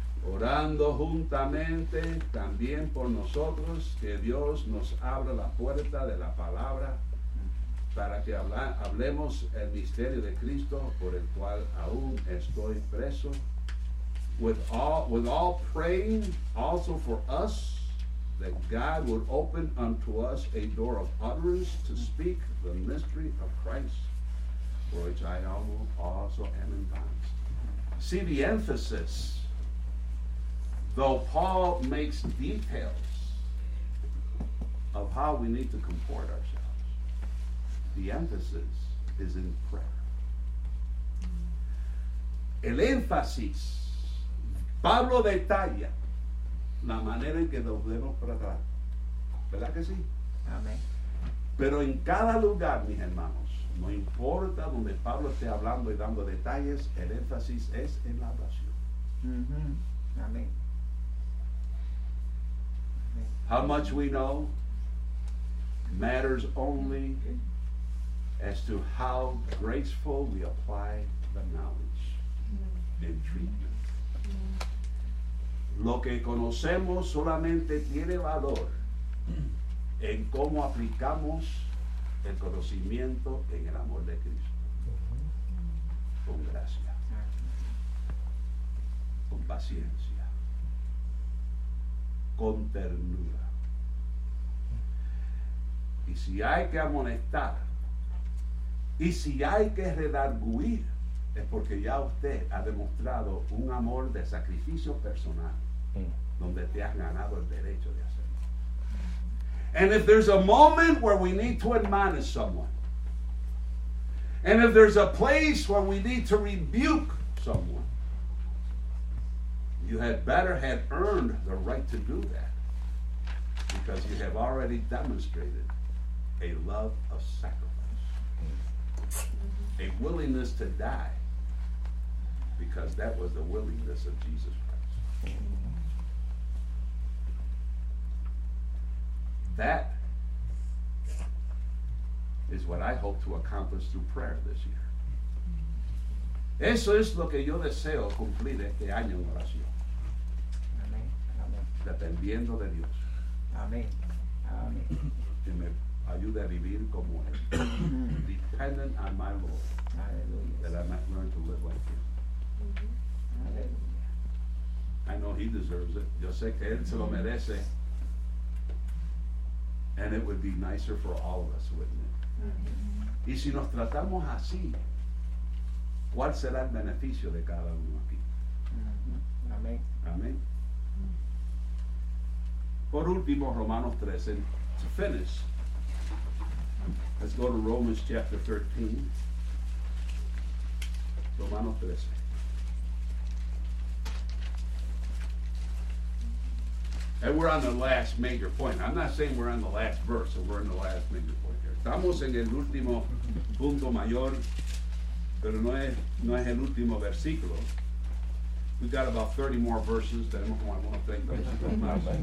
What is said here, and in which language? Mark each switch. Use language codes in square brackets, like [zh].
[es] Orando juntamente también por nosotros, que Dios nos abra la puerta de la palabra para que hablemos el misterio de Cristo, por el cual aún estoy preso. [en] With all praying also for us, that God would open unto us a door of utterance to speak the mystery of Christ, for which I also am in bonds. See the emphasis. Though Paul makes details of how we need to comport ourselves, the emphasis is in prayer. [es] El énfasis, Pablo detalla la manera en que debemos tratar. ¿Verdad que sí? Amén. Pero en cada lugar, mis hermanos, no importa donde Pablo esté hablando y dando detalles, el énfasis es en la oración. Mm-hmm. Amén. [en] How much we know matters only as to how graceful we apply the knowledge and treatment. [es] Lo que conocemos solamente tiene valor en cómo aplicamos el conocimiento en el amor de Cristo. Con gracia. Con paciencia. Con ternura. Y si hay que amonestar, y si hay que redarguir, es porque ya usted ha demostrado un amor de sacrificio personal, donde te has ganado el derecho de hacerlo. [en] And if there's a moment where we need to admonish someone, and if there's a place where we need to rebuke someone, you had better have earned the right to do that, because you have already demonstrated a love of sacrifice, a willingness to die, because that was the willingness of Jesus Christ. That is what I hope to accomplish through prayer this year. [es] Eso es lo que yo deseo cumplir este año en oración. Amén. Dependiendo de Dios. Amén. Amén. Ayuda a vivir como él. [en] Dependent on my Lord. Hallelujah. That I might learn to live like him. Hallelujah. I know he deserves it. [es] Yo sé que él se lo merece. [en] And it would be nicer for all of us, wouldn't it? Mm-hmm. [es] Y si nos tratamos así, ¿cuál será el beneficio de cada uno aquí? Mm-hmm. Amén. Amén. Mm-hmm. Por último, Romanos 13. [en] To finish, let's go to Romans chapter 13. Romanos 13. And we're on the last major point. I'm not saying we're on the last verse, so we're in the last major point here. [es] Estamos en el último punto mayor, pero no es el último versículo. [en] We've got about 30 more verses that I want to think about.